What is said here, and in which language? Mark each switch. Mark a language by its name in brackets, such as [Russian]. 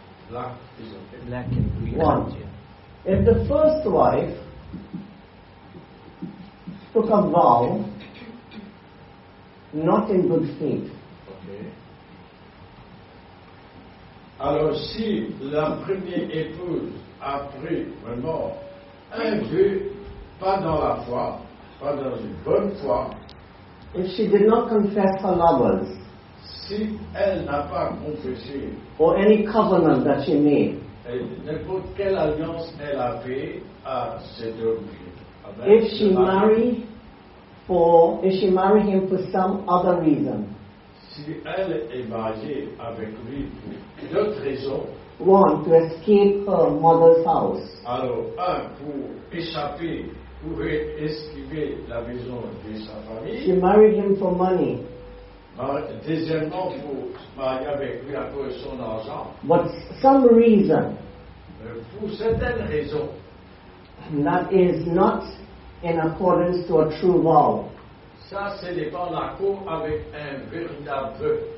[English] Black is okay. Black and green. One. If the first wife took a vow not in good faith. Okay. [French] Alors si la première épouse a pris vraiment un vœu pas dans la foi, pas dans une bonne foi. [English] If she did not confess her lovers. [French] Si elle n'a pas confessé. [English] Or any covenant that she made. [French] N'importe quelle alliance elle a fait à cet homme. [English] If she married. For if she marry him for some other reason. [French] Si elle est mariée avec lui pour d'autres raisons. [English] One, to escape her mother's house. [French] Alors, un, pour esquiver la maison de sa famille. [English] She married him for money. [French] Deuxièmement, pour se marier avec lui à cause de son argent. [English] But some reason. [French] Pour certaines raisons. [English] That is not in accordance to a true vow. [French] Ça, ce n'est pas en accord avec un véritable vœu.